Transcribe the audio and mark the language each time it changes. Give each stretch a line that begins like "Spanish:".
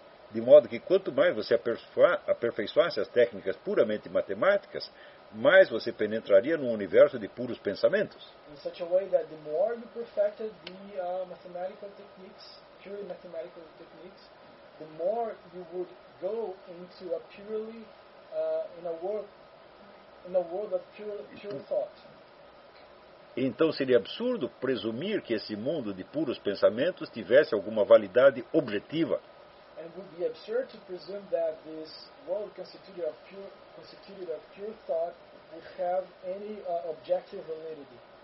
Portuguese: De modo que quanto mais você aperfeiçoasse as técnicas puramente matemáticas, mais você penetraria num universo de puros pensamentos.
English: In such a way that the more you perfected the mathematical techniques, purely mathematical techniques, the more you would go into a purely in a world of pure thought.
Portuguese: Então seria absurdo presumir que esse mundo de puros pensamentos tivesse alguma validade objetiva.
English: And it would be absurd to presume that this world constituted of pure thought would have any objective validity.